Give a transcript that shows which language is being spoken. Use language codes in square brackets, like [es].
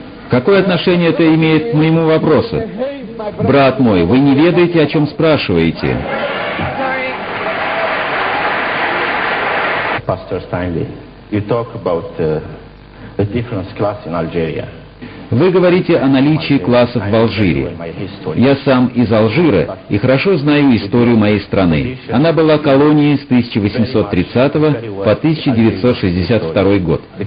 [ru] Какое отношение это имеет к моему вопросу? Брат мой, вы не ведаете, о чем спрашиваете. [en] Pastor Steinle, you talk about the difference class in Algeria. [ru] Вы говорите о наличии классов в Алжире. Я сам из Алжира и хорошо знаю историю моей страны. Она была колонией с 1830 по 1962 год.